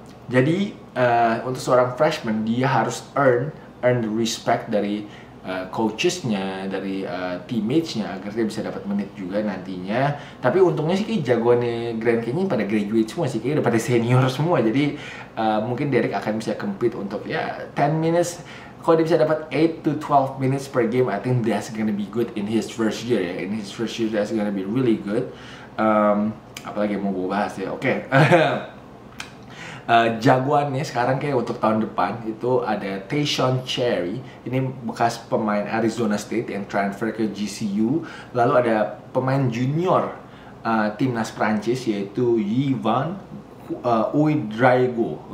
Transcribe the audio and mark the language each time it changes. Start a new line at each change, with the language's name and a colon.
Indonesian: Jadi untuk seorang freshman dia harus
English: earn the respect
Indonesian: dari coachesnya, dari teammatesnya agar dia bisa dapat menit juga nantinya. Tapi untungnya sih kayak jagoannya Grand Canyon pada graduate semua sih, kayak udah pada senior semua. Jadi mungkin Derek akan bisa compete untuk ya 10 minutes. Kalau dia bisa dapat
English: 8 to 12 minutes per game, I think that's gonna be good in his first year ya. In his first year that's gonna be really good.
Indonesian: Apalagi mau gue bahas ya. Oke. Jagoannya sekarang kayak untuk tahun depan itu ada Tayshaun Cherry. Ini bekas pemain Arizona State yang transfer ke GCU. Lalu ada pemain junior timnas Prancis yaitu Yvan Ouedraogo.